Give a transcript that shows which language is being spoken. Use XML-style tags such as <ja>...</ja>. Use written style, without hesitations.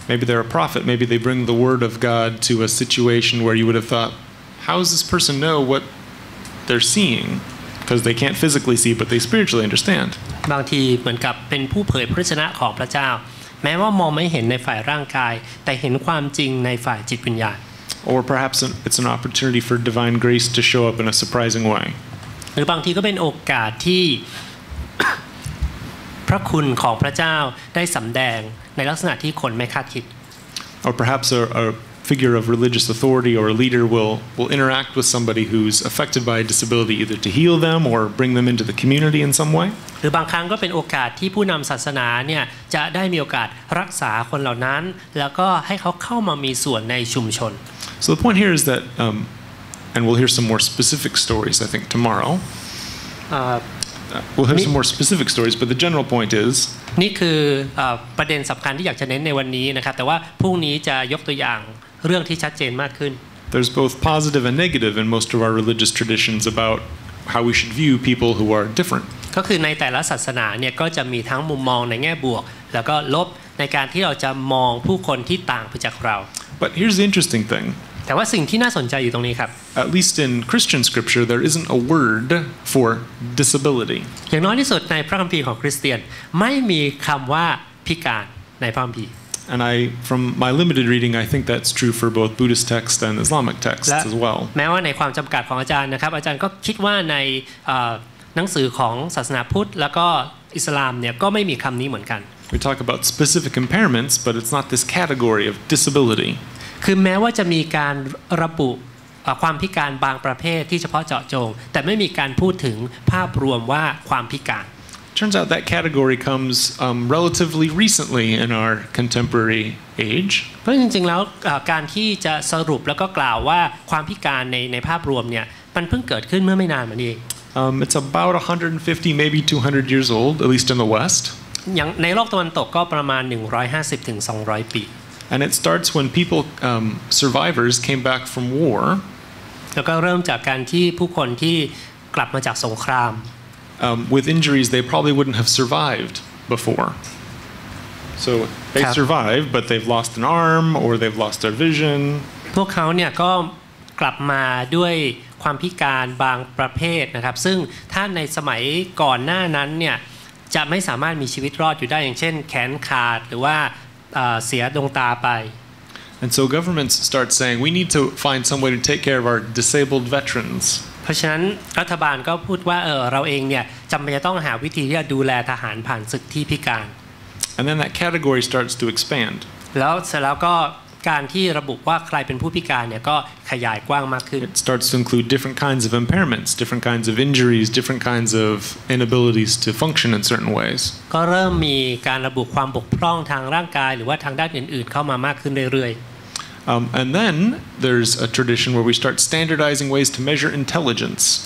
<en>Maybe they're a prophet. Maybe they bring the word of God to a situation where you would have thoughtHow does this person know what they're seeing? Because they can't physically see, but they spiritually understand.</en> <th>บางทีเหมือนกับเป็นผู้เผยพระชนะของพระเจ้าแม้ว่ามองไม่เห็นในฝ่ายร่างกายแต่เห็นความจริงในฝ่ายจิตวิญญาณ</th> <en>Or perhaps it's an opportunity for divine grace to show up in a surprising way</en> <th>หรือบางทีก็เป็นโอกาสที่พระคุณของพระเจ้าได้สำแดงในลักษณะที่คนไม่คาดคิด</th> <en>Or perhaps a figure of religious authority or a leader will interact with somebody who's affected by a disability either to heal them or bring them into the community in some way</en> <th>หรือบางครั้งก็เป็นโอกาสที่ผู้นำศาสนาเนี่ยจะได้มีโอกาสรักษาคนเหล่านั้นแล้วก็ให้เขาเข้ามามีส่วนในชุมชน</th> <en>So the point here is that and we'll hear some more specific stories I think tomorrow we'll hear some more specific stories but the general point is</en> <th>นี่คือประเด็นสำคัญที่อยากจะเน้นในวันนี้นะครับแต่ว่าพรุ่งนี้จะยกตัวอย่างเรื่องที่ชัดเจนมากขึ้น</th> <en>There's both positive and negative in most of our religious traditions about how we should view people who are different</en> <th>ก็คือในแต่ละศาสนาเนี่ยก็จะมีทั้งมุมมองในแง่บวกแล้วก็ลบในการที่เราจะมองผู้คนที่ต่างไปจากเรา</th> <en>But here's the interesting thing</en> <th>แต่ว่าสิ่งที่น่าสนใจอยู่ตรงนี้ครับ</th> <en>At least in Christian scripture there isn't a word for disability</en> <th>อย่างน้อยที่สุดในพระคัมภีร์ของคริสเตียนไม่มีคำว่าพิการในพระคัมภีร์</th> <en>And I, from my limited reading, I think that's true for both Buddhist texts and Islamic texts as well.</en> <th>แม้ว่าในความจำกัดของอาจารย์นะครับอาจารย์ก็คิดว่าในหนังสือของศาสนาพุทธแล้วก็อิสลามเนี่ยก็ไม่มีคำนี้เหมือนกัน</th> <en>We talk about specific impairments, but it's not this category of disability.</en> <th>คือแม้ว่าจะมีการระบุความพิการบางประเภทที่เฉพาะเจาะจงแต่ไม่มีการพูดถึงภาพรวมว่าความพิการ</th> <en>Turns out that category comes relatively recently in our contemporary age.</en> <th>เพราะจริงๆแล้วการที่จะสรุปแล้วก็กล่าวว่าความพิการในภาพรวมเนี่ยมันเพิ่งเกิดขึ้นเมื่อไม่นานมานี้เอง</th> <en>It's about 150 maybe 200 years old at least in the West.</en> <th>อย่างในโลกตะวันตกก็ประมาณ150ถึง200ปี</th> <en>And it starts when people survivors came back from war.</en> <th>แล้วก็เริ่มจากการที่ผู้คนที่กลับมาจากสงคราม</th> <en>with injuries they probably wouldn't have survived before so they survive but they've lost an arm or they've lost their vision</en> <th>พวกเขาเนี่ยก็กลับมาด้วยความพิการบางประเภทนะครับซึ่งถ้าในสมัยก่อนหน้านั้นเนี่ยจะไม่สามารถมีชีวิตรอดอยู่ได้อย่างเช่นแขนขาดหรือว่าเสียดวงตาไป</th> <en>and so governments start saying we need to find some way to take care of our disabled veterans</en> <th>เพราะฉะนั้นรัฐบาลก็พูดว่าเราเองเนี่ยจำเป็นจะต้องหาวิธีที่จะดูแลทหารผ่านศึกที่พิการ</th> <en>And then that category starts to expand</en> <th>แล้วเสร็จแล้วก็การที่ระบุว่าใครเป็นผู้พิการเนี่ยก็ขยายกว้างมากขึ้น</th> <en>It starts to include different kinds of impairments different kinds of injuries different kinds of inabilities to function in certain ways</en> <th>ก็เริ่มมีการระบุความบกพร่องทางร่างกายหรือว่าทางด้านอื่นๆเข้ามามากขึ้นเรื่อยๆ</th> <en>And then there's a tradition where we start standardizing ways to measure intelligence.</en>